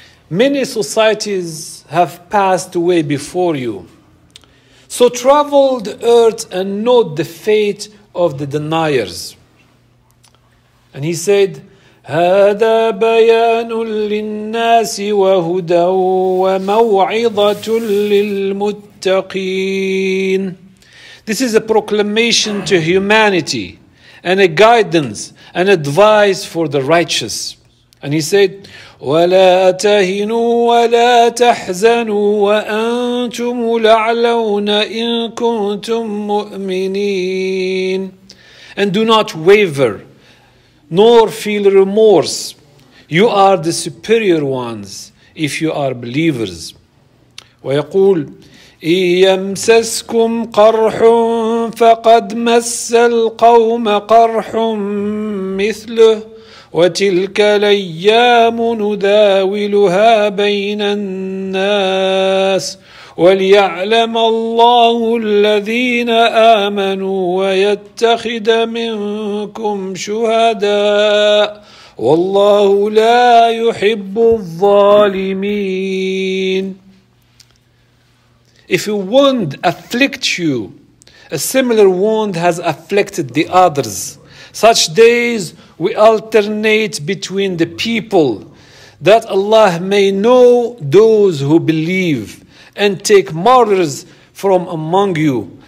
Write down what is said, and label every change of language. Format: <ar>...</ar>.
<en>Many societies have passed away before you, so traveled earth and note the fate of the deniers. And he said,</en> <ar>هذا بيان للناس وهدى وموعظة للمتقين.</ar> <en>This is a proclamation to humanity and a guidance and advice for the righteous. And he said,</en> <ar>ولا تهنوا ولا تحزنوا وأنتم الأعلون إن كنتم مؤمنين.</ar> <en>And do not waver nor feel remorse. You are the superior ones if you are believers.</en> <ar>ويقول إن يمسسكم قرح فقد مس القوم قرح مثله وتلك الأيام نداولها بين الناس وليعلم الله الذين آمنوا ويتخذ منكم شهداء والله لا يحب الظالمين.</ar> <en>If a wound afflicts you, a similar wound has afflicted the others. Such days we alternate between the people, that Allah may know those who believe and take martyrs from among you.</en>